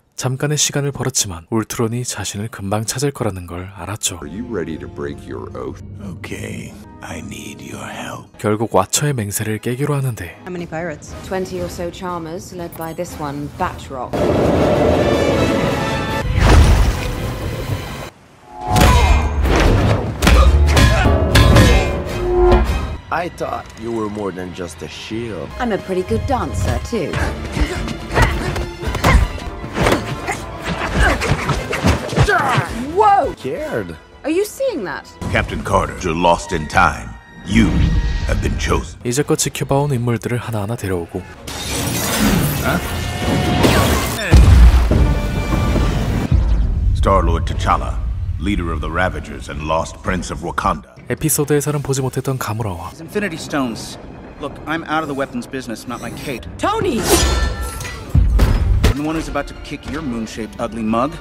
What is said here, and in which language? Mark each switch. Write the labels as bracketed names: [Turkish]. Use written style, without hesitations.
[Korean] 잠깐의 시간을 벌었지만 울트론이 자신을 금방 찾을 거라는 걸 알았죠. [English] Are you ready to break your oath? Okay, I need your help. [Korean] 결국 왓처의 맹세를 깨기로 하는데. [English] How many pirates? 20 or so charmers led by this one, Batroc. I thought you were more than just a shield. I'm a pretty good dancer too. Cared. Are you seeing that? Captain Carter, you're lost in time. You have been chosen. [Korean] 이제껏 지켜봐온 인물들을 하나하나 데려오고. [English] Star-Lord T'Challa, leader of the Ravagers and lost prince of Wakanda. [Korean] 에피소드에서는 보지 못했던 가무라와. [English] Infinity Stones. Look, I'm out of the weapons business, not my Kate. Tony! I'm the one who's about to kick your moon-shaped ugly mug.